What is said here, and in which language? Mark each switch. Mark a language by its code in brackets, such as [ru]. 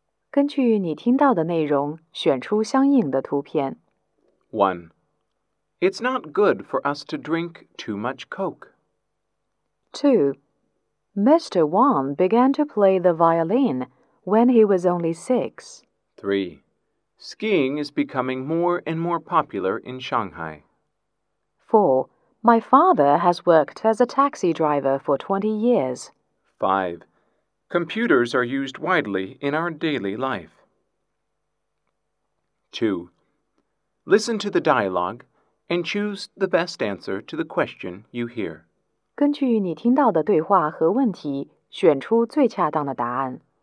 [zh] 根据你听到的内容，选出相应的图片。 [en] 1. It's not good for us to drink too much Coke. 2. Mr. Wan began to play the violin when he was only 6. 3. Skiing is becoming more and more popular in Shanghai. 4. My father has worked as a taxi driver for 20 years. 5. Computers are used widely in our daily life. 2. Listen to the dialogue and choose the best answer to the question you hear. [zh] 根据你听到的对话和问题，选出最恰当的答案。